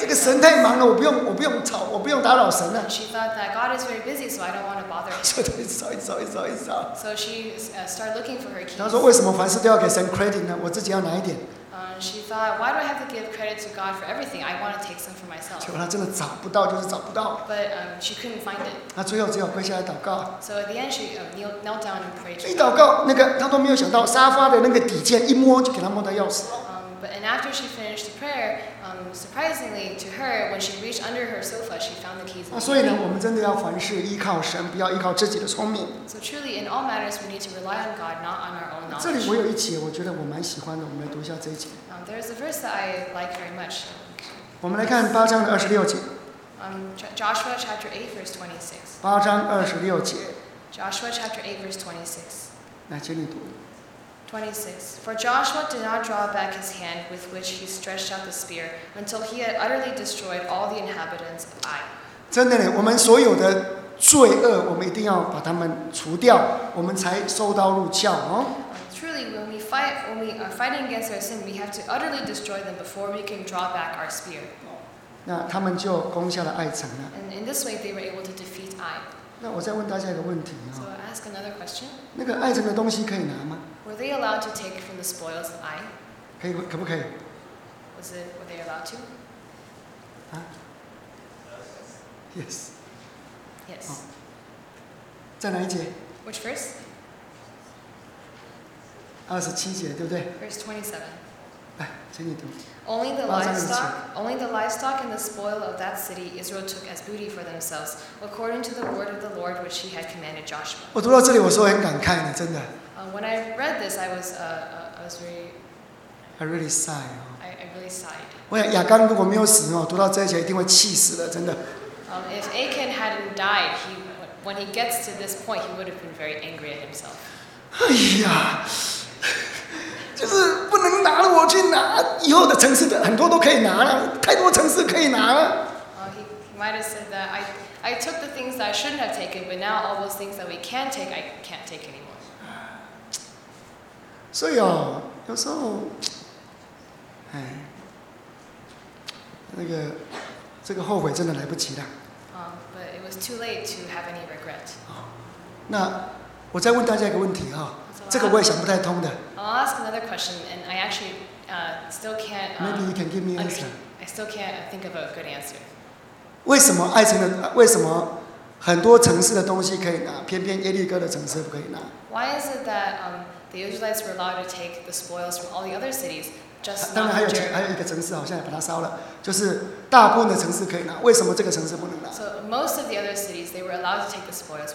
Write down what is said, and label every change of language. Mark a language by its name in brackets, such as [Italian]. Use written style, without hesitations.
[Chinese] 这个神太忙了，我不用吵，我不用打扰神了。 [English] She thought that God is very busy, so I don't want to bother him. [Chinese] 所以她一直找，一直找，一直找，一直找。 [English] So she started looking for her keys. [Chinese] 她说为什么凡事都要给神 credit 呢？我自己要拿一点。 [English] She thought, why do I have to give credit to God for everything? I want to take some for myself. [Chinese] 结果她真的找不到，就是找不到。 [English] But she couldn't find it. [Chinese] 她最后只好跪下来祷告。 [English] So at the end, she knelt down and prayed. [Chinese] 一祷告，那个她都没有想到，沙发的那个底键一摸就给她摸到钥匙。 [English] And after she finished the prayer, surprisingly to her, when she reached under her sofa, she found the keys. [Chinese] 所以呢，我们真的要凡事依靠神，不要依靠自己的聪明。 [English] So truly, in all matters, we need to rely on God, not on our own knowledge. [Chinese] 这里我有一节，我觉得我蛮喜欢的，我们来读一下这一节。 [English] There is a verse that I like very much. [Chinese] 我们来看8章26节。 [English] Joshua chapter 8 verse 26. [Chinese] 8章26节。 [English] Joshua chapter 8 verse 26. [Chinese] 来，请你读。 [English] 26. For Joshua did not draw back his hand with which he stretched out the spear until he had utterly destroyed all the inhabitants of Ai. [Chinese] 真的呢，我们所有的罪恶，我们一定要把它们除掉，我们才收刀入鞘哦。 [English] Truly, when we are fighting against our sin, we have to utterly destroy them before we can draw back our spear. [Chinese] 那他们就攻下了爱城了。 [English] And in this way, they were able to defeat Ai. [Chinese] 那我再问大家一个问题啊。 [English] So ask another question. [Chinese] 那个爱城的东西可以拿吗？ [English] Were they allowed to take from the spoils of Ai? [Chinese] 可以，可不可以？ [English] Were they allowed to? Yes. Yes. [Chinese] 在哪一节？ [English] Which verse? [Chinese] 27节，对不对？ [English] Verse 27. [Chinese] 来，请你读。 [English] Only the livestock and the spoil of that city Israel took as booty for themselves, according to the word of the Lord which he had commanded Joshua. [Chinese] 我读到这里，我说很感慨呢，真的。 [English] When I read this, I really sighed. [Chinese] 我想亚干如果没有死哦，读到这一节一定会气死的，真的。 [English] If Achan hadn't died, when he gets to this point, he would have been very angry at himself. [Chinese] 哎呀，就是不能拿了，我去拿，以后的城市的很多都可以拿了，太多城市可以拿了。 [English] He might have said that I took the things that I shouldn't have taken, but now all those things that we can take, I can't take anymore. [Chinese] 所以哦，有时候，哎，那个，这个后悔真的来不及了。 [English] But it was too late to have any regret. [Chinese] 那我再问大家一个问题哈，这个我也想不太通的。 [English] I'll ask another question, and I actually still can't. Maybe you can give me an answer. I still can't think of a good answer. [Chinese] 为什么爱城的为什么很多城市的东西可以拿，偏偏耶利哥的城市不可以拿 [English] ？Why is it that The Israelites were allowed to take the spoils from all the other cities, just not. [Chinese] 当然还有一个城市好像也把它烧了，就是大部分的城市可以拿，为什么这个城市不能拿 [English] ？So most of the other cities, they were allowed to take the spoils.